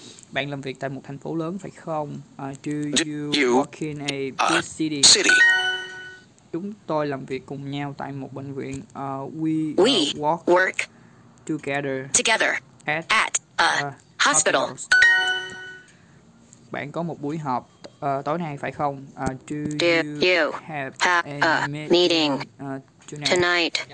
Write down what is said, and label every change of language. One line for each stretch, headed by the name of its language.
Vietnamese: Bạn làm việc tại một thành phố lớn phải không?
English: Do you work in a big city?
Vietnamese: Chúng tôi làm việc cùng nhau tại một bệnh viện.
English: We work together at a hospital.
Vietnamese: Bạn có một buổi họp tối nay phải không?
English: Do you have a meeting tonight?